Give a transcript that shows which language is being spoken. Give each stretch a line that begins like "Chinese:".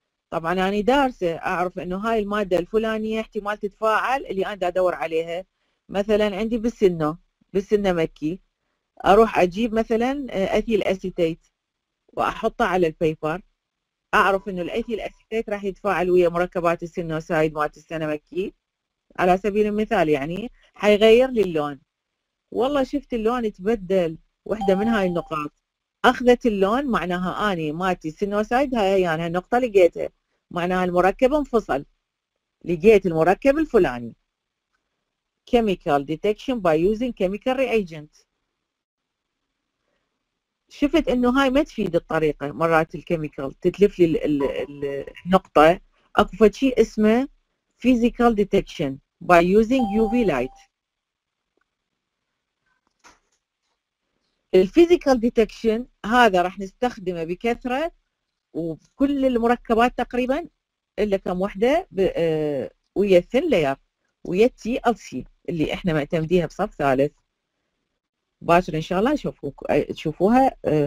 Arabic: طبعا انا يعني دارسه اعرف انه هاي الماده الفلانيه احتمال تتفاعل اللي انا ادور عليها، مثلا عندي بالسنه مكي اروح اجيب مثلا اثيل اسيتيت واحطه على البيبر، اعرف انه الاثيل اسيتيت راح يتفاعل ويا مركبات السنوسايد مالت السنه مكي على سبيل المثال، يعني حيغير لي اللون. والله شفت اللون تبدل وحده من هاي النقاط اخذت اللون، معناها اني ماتي سينوسايد هاي يعني النقطة لقيتها، معناها المركب انفصل، لقيت المركب الفلاني.
English: chemical detection by using chemical reagent.
Arabic: شفت انه هاي ما تفيد الطريقة مرات الكيميكال تتلف لي النقطة. اكو فشي اسمه
English: physical detection by using UV light.
Arabic: الفيزيكال ديتكشن هذا راح نستخدمه بكثره وكل المركبات تقريبا الا كم وحده ويا الثين لاير ويا التي ال سي اللي احنا معتمديها بصف ثالث. باشر ان شاء الله تشوفوها